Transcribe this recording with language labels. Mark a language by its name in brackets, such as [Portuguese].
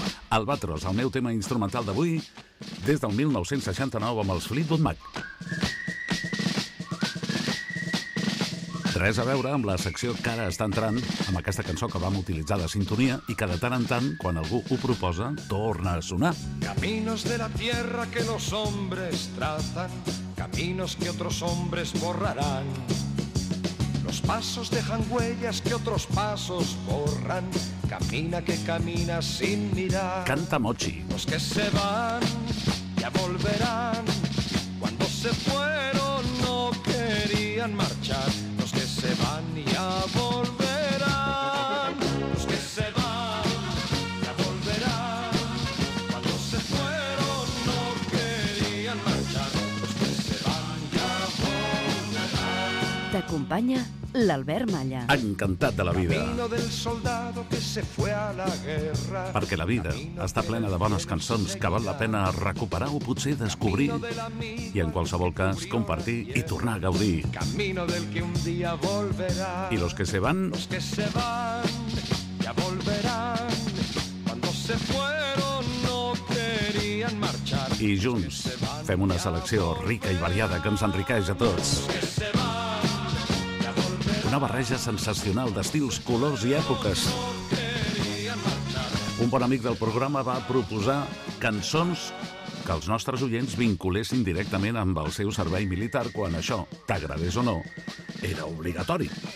[Catalan] Albatros, el meu tema instrumental d'avui, des del 1969 amb els Fleetwood Mac. Res a veure amb la secció que ara està entrant, amb aquesta cançó que vam utilitzar de sintonia i que de tant en tant, quan algú ho proposa, torna a sonar. [Spanish] Caminos de la tierra que los hombres trazan, caminos que otros hombres borrarán. Los pasos dejan huellas que otros pasos borran, camina que camina sin mirar. [Catalan] Canta Mochi. [Spanish] Los que se van ya volverán, cuando se fueron no querían marchar. Los que se van ya volverán, los que se van ya volverán, cuando se fueron no querían marchar. Los que se van ya volverán. [Catalan] T'acompanya l'Albert Malla. Encantat de la vida. [Spanish] Camino del soldado que se fue a la guerra. [Catalan] Perquè la vida està plena de bones cançons que val la pena recuperar o potser descobrir i en qualsevol cas compartir i tornar a gaudir. [Spanish] Camino del que un día volverá. I los que se van... Los que se van ya volverán. Cuando se fueron no querían marchar. [Catalan] I junts fem una selecció rica i variada que ens enriqueix a tots. Una barreja sensacional d'estils, colors i èpoques. Un bon amic del programa va proposar cançons que els nostres oients vinculessin directament amb el seu servei militar, quan això, t'agradés o no, era obligatori.